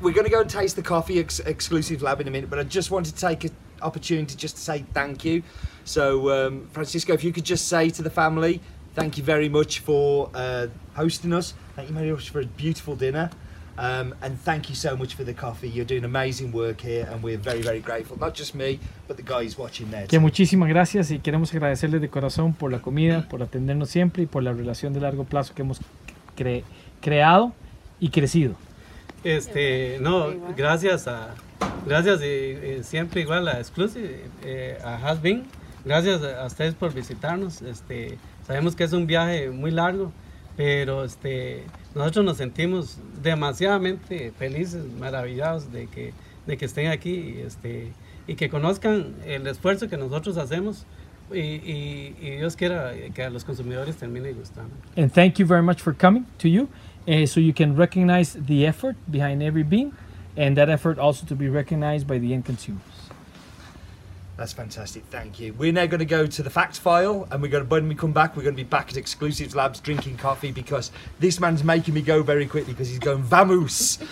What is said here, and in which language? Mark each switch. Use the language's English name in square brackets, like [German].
[English] We're going to go and taste the coffee exclusive lab in a minute, but I just wanted to take an opportunity just to say thank you. So Francisco, if you could just say to the family, thank you very much for hosting us. Thank you very much for a beautiful dinner. And thank you so much for the coffee. You're doing amazing work here and we're very, very grateful. Not just me, but the guys watching there. [Spanish] Que muchísimas gracias y queremos agradecerle de corazón por la comida, por atendernos siempre y por la relación de largo plazo que hemos creado y crecido. No, gracias a... Gracias y siempre igual a Exclusive, a Hasbin. Gracias a ustedes por visitarnos. Sabemos que es un viaje muy largo, pero nosotros nos sentimos demasiadamente felices, maravillados de que estén aquí y que conozcan el esfuerzo que nosotros hacemos y Dios quiera que a los consumidores termine gustando. [English] And thank you very much for coming to you, so you can recognize the effort behind every bean and that effort also to be recognized by the end consumers. That's fantastic, thank you. We're now going to go to the fact file, and when we come back, we're going to be back at Exclusives Labs drinking coffee, because this man's making me go very quickly, because he's going vamos.